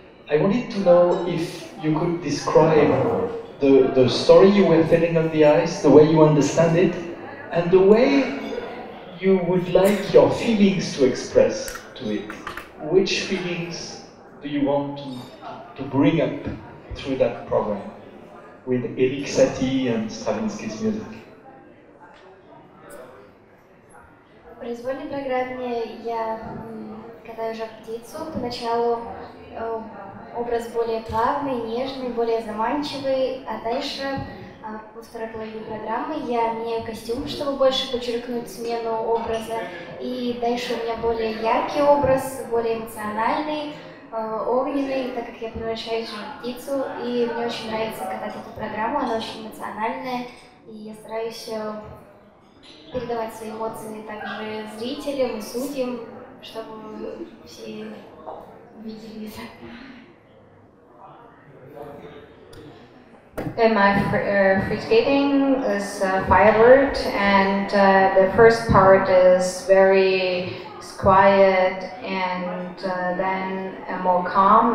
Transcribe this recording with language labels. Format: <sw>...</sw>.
<en>I wanted to know if you could describe the story you were telling on the ice, the way you understand it, and the way you would like your feelings to express to it. Which feelings do you want to bring up through that program with Erik Satie and Stravinsky's music?</en> <ru>Произвольной программе я катаю уже птицу. Поначалу образ более плавный, нежный, более заманчивый, а дальше во второй половине программы я меняю костюм, чтобы больше подчеркнуть смену образа, и дальше у меня более яркий образ, более эмоциональный, огненный, так как я превращаюсь в птицу, и мне очень нравится катать эту программу, она очень эмоциональная, и я стараюсь передавать свои эмоции также зрителям и судьям, чтобы все видели это.</ru> <en>And my free skating is firebird, and the first part is very quiet and then more calm.</en>